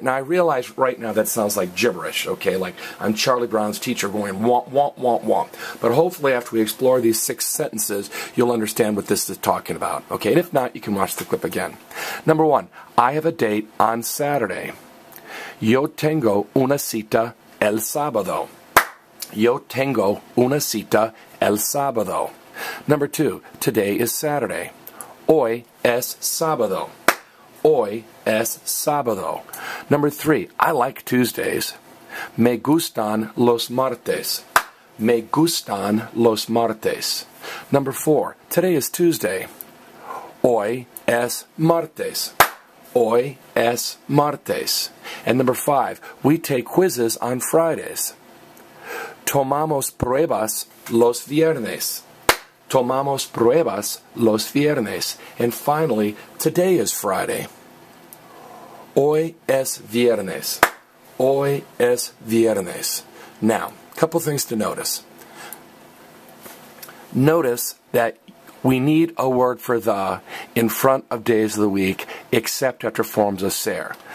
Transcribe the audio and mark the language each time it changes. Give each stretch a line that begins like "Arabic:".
English: Now, I realize right now that sounds like gibberish, okay? Like I'm Charlie Brown's teacher going womp, womp, womp, womp. But hopefully after we explore these 6 sentences, you'll understand what this is talking about, okay? And if not, you can watch the clip again. Number one, I have a date on Saturday.
Spanish: Yo tengo una cita el sábado. Yo tengo una cita el sábado.
English: Number two, today is Saturday.
Spanish: Hoy es sábado. Hoy es sábado.
English: Number three, I like Tuesdays.
Spanish: Me gustan los martes. Me gustan los martes.
English: Number four, today is Tuesday.
Spanish: Hoy es martes. Hoy es martes.
English: And number five, we take quizzes on Fridays.
Spanish: Tomamos pruebas los viernes. Tomamos pruebas los viernes.
English: And finally, today is Friday.
Spanish: Hoy es viernes. Hoy es viernes.
English: Now, a couple things to notice. Notice that we need a word for the in front of days of the week, except after forms of ser.